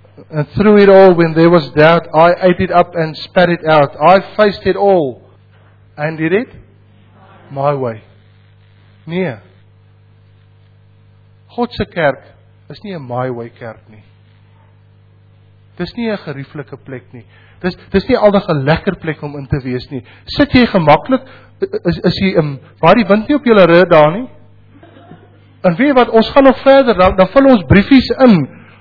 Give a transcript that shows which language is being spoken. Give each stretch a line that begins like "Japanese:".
English: And through it all, when there was doubt, I ate it up and spat it out. I faced it all and did it my way.
Afrikaans: Nee. God se kerk is nie 'n
English: my way
Afrikaans: kerk nie. Dis nie 'n gerieflike plek nie. Dis nie aldag 'n lekker plek om in te wees nie. Sit jy gemaklik, is jy waar die wind nie op jou rug daar nie? En weet wat, ons gaan nog verder, dan vul ons briefies in.